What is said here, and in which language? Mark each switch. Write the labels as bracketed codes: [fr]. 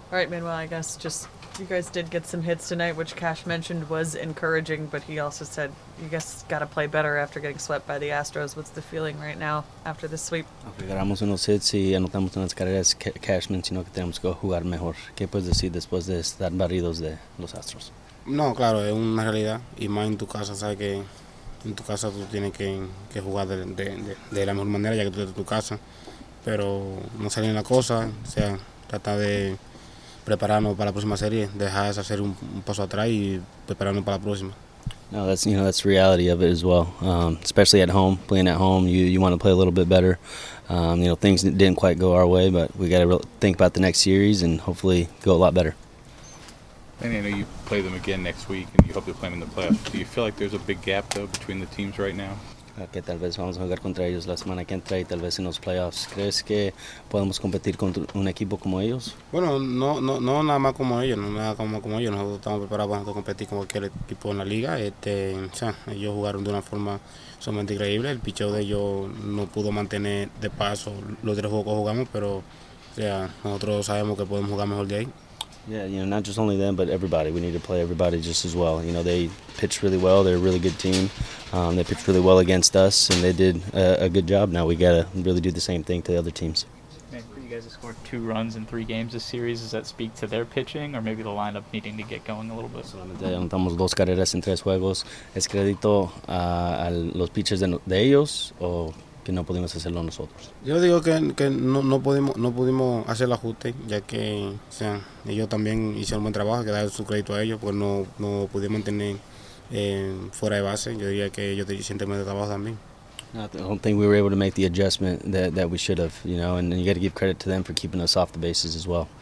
[en] All right, Manuel, I guess just you guys did get some hits tonight, which Cash mentioned was encouraging, but he also said you guys got to play better after getting swept by the Astros. What's the feeling right now after this sweep? [es] Agarramos unos hits y anotamos unas carreras. Cash mencionó que tenemos que jugar mejor. ¿Qué puedes decir después de estar barridos de los Astros? No, claro, es una realidad. Y más en tu casa, sabes que en tu casa tú tienes que jugar de la mejor manera, ya que tú estás en tu casa. Pero no salen la cosa, o sea, trata de prepararnos para la próxima serie, dejar esa serie un paso atrás y prepararnos para la próxima. [en] No, that's, you know, that's the reality of it as well. Especially at home, playing at home, you want to play a little bit better. You know, things didn't quite go our way, but we got to think about the next series and hopefully go a lot better. And I know you play them again next week and you hope to play them in the playoffs. Do you feel like there's a big gap though between the teams right now? [es] Que tal vez vamos a jugar contra ellos la semana que entra y tal vez en los playoffs. ¿Crees que podemos competir contra un equipo como ellos? Bueno, no nada más como ellos. Nosotros estamos preparados para competir con cualquier equipo en la liga. Ellos jugaron de una forma sumamente increíble. El picheo de ellos no pudo mantener de paso los tres juegos que jugamos, pero nosotros sabemos que podemos jugar mejor de ahí. [en] Yeah, you know, not just only them, but everybody. We need to play everybody just as well. You know, they pitched really well. They're a really good team. They pitched really well against us, and they did a good job. Now we got to really do the same thing to the other teams. Man, for you guys to score 2 runs in 3 games this series, does that speak to their pitching or maybe the lineup needing to get going a little bit? [es] Solamente anotamos 2 carreras en 3 juegos. ¿Es crédito a los pitchers de ellos o que no pudimos hacerlo nosotros? Yo digo que no pudimos hacer el ajuste, ya que ellos también hicieron buen trabajo, que dar su crédito a ellos, porque no pudimos tener fuera de base. Yo diría que ellos hicieron buen trabajo también. [en] I don't think we were able to make the adjustment that we should have, you know, and you got to give credit to them for keeping us off the bases as well.